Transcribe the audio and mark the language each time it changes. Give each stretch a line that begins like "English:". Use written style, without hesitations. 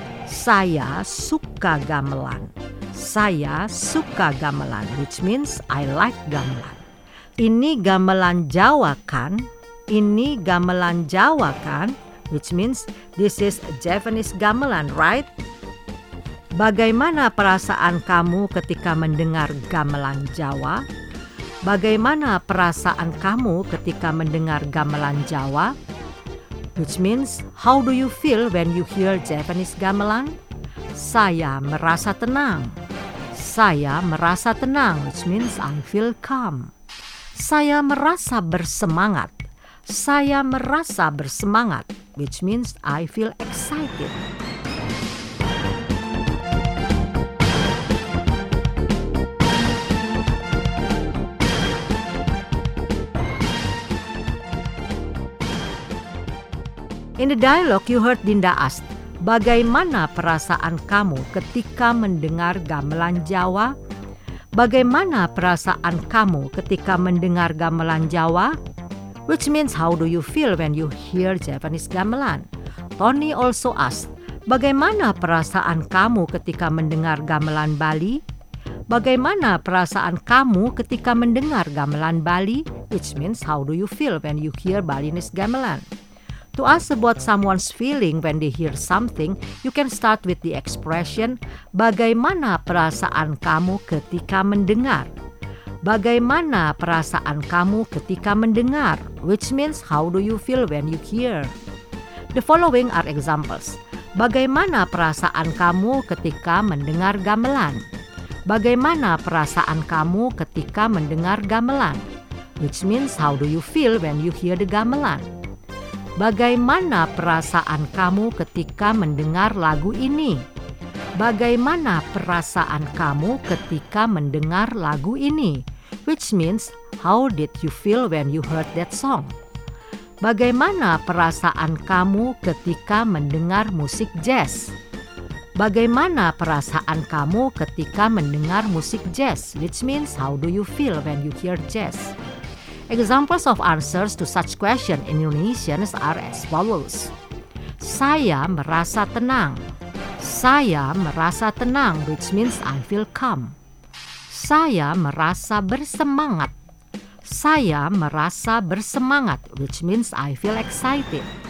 Indonesian: Saya suka gamelan. Saya suka gamelan,
English: which means I like gamelan.
Indonesian: Ini gamelan Jawa kan? Ini gamelan Jawa kan?
English: Which means this is Javanese gamelan, right?
Indonesian: Bagaimana perasaan kamu ketika mendengar gamelan Jawa? Bagaimana perasaan kamu ketika mendengar gamelan Jawa?
English: Which means, how do you feel when you hear Japanese gamelan?
Indonesian: Saya merasa tenang. Saya merasa tenang,
English: which means I feel calm.
Indonesian: Saya merasa bersemangat. Saya merasa bersemangat,
English: which means I feel excited. In the dialogue, you heard Dinda ask,
Indonesian: bagaimana perasaan kamu ketika mendengar gamelan Jawa? Bagaimana perasaan kamu ketika mendengar gamelan Jawa?
English: Which means, how do you feel when you hear Japanese gamelan? Tony also asked,
Indonesian: bagaimana perasaan kamu ketika mendengar gamelan Bali? Bagaimana perasaan kamu ketika mendengar gamelan Bali?
English: Which means, how do you feel when you hear Balinese gamelan? To ask about someone's feeling when they hear something, you can start with the expression,
Indonesian: bagaimana perasaan kamu ketika mendengar? Bagaimana perasaan kamu ketika mendengar?
English: Which means, how do you feel when you hear? The following are examples.
Indonesian: Bagaimana perasaan kamu ketika mendengar gamelan? Bagaimana perasaan kamu ketika mendengar gamelan?
English: Which means, how do you feel when you hear the gamelan?
Indonesian: Bagaimana perasaan kamu ketika mendengar lagu ini? Bagaimana perasaan kamu ketika mendengar lagu ini?
English: Which means, how did you feel when you heard that song?
Indonesian: Bagaimana perasaan kamu ketika mendengar musik jazz? Bagaimana perasaan kamu ketika mendengar musik jazz?
English: Which means, how do you feel when you hear jazz? Examples of answers to such question in Indonesian are as follows.
Indonesian: Saya merasa tenang. Saya merasa tenang,
English: which means I feel calm.
Indonesian: Saya merasa bersemangat. Saya merasa bersemangat,
English: which means I feel excited.